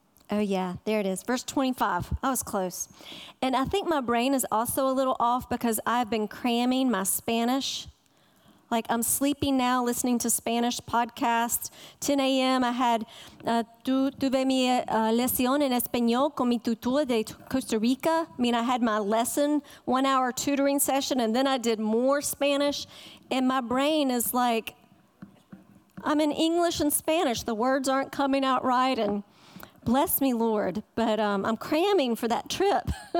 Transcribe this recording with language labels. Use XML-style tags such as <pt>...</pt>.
<en>Oh yeah, there it is. Verse 25. I was close. And I think my brain is also a little off because I've been cramming my Spanish. Like I'm sleeping now listening to Spanish podcasts. 10 a.m. I had</en> <es>tuve mi lección en español con mi tutor de Costa Rica.</es> <en>I mean, I had my lesson, 1 hour tutoring session, and then I did more Spanish. And my brain is like, I'm in English and Spanish. The words aren't coming out right. And bless me, Lord, but I'm cramming for that trip.</en>